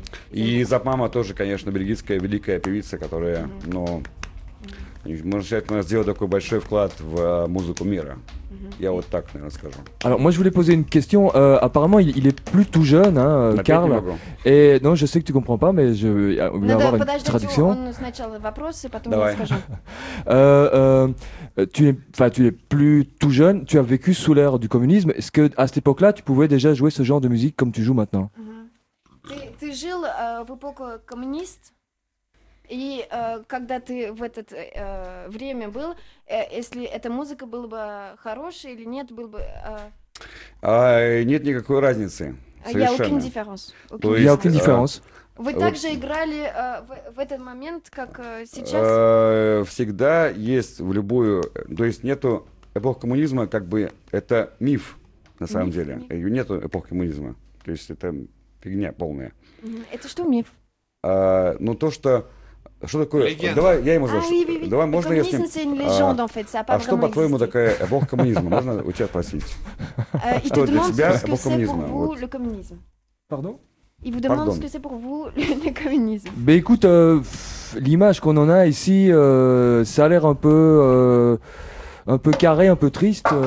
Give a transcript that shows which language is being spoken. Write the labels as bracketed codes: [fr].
[ru] И Zapmama тоже, конечно, бельгийская великая певица, которая, но Можно сказать, мы сделали такой большой вклад в музыку мира. Я вот так, наверное, скажу. [fr] Alors, moi, je voulais poser une question. Apparemment, il est plus tout jeune, hein, Карл. Et non, je sais que tu comprends pas, mais je vais avoir une traduction. [ru] Надо подождать, он сначала вопрос, и потом я скажу. [fr] Tu es plus tout jeune, tu as vécu sous l'ère du communisme. Est-ce que à cette époque-là, tu pouvais déjà jouer ce genre de musique comme tu joues maintenant? [ru] Ты жил в эпоху коммунист, и когда ты в это время был, если эта музыка была бы хорошей или нет, был бы... Нет никакой разницы. Совершенно. [fr] Я aucune différence. [ru] Вы также играли в этот момент, как сейчас? Всегда есть в любую... То есть нету эпохи коммунизма, как бы это миф, на самом деле. Нету эпохи коммунизма. То есть это... Фигня полная. Это что, миф? Ну, то, что... Что такое... Легенда. Давай я ему задам. Давай, можно я с ним... Легенда, [fr] en fait. [ru] А что, по-твоему, такая эпоха коммунизма? Можно у тебя спросить? Что для тебя эпоха коммунизма? [fr] Pardon? Il vous demande ce que c'est pour vous le communisme. Ben écoute, l'image qu'on en a ici, ça a l'air un peu carré, un peu triste.